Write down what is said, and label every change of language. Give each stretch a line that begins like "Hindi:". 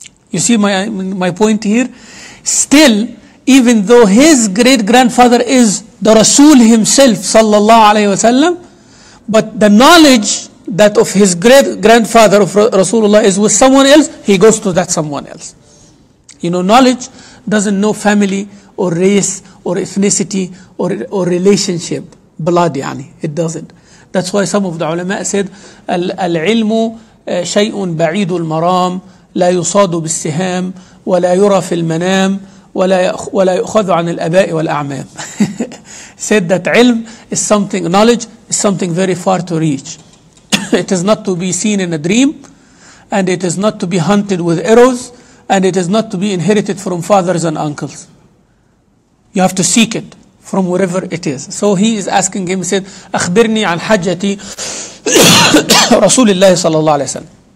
English: You see my point here? Still, even though his great-grandfather is the Rasul himself, sallallahu alayhi wasallam, but the knowledge that of his great-grandfather of Rasulullah is with someone else, he goes to that someone else. You know, knowledge doesn't know family or race or ethnicity or relationship, blood, يعني. It doesn't. That's why some of the ulama said,
Arabic: العلم شيء بعيد المرام لا يصاد بالسهام ولا يرى في المنام ولا يأخذ عن الأباء والأعمام.
English: Said that علم is something, knowledge is something very far to reach. It is not to be seen in a dream, and it is not to be hunted with arrows, and it is not to be inherited from fathers and uncles. You have to seek it from wherever it is. So he is asking him, he said,
Arabic: أخبرني عن حجتي رسول الله صلى الله عليه وسلم.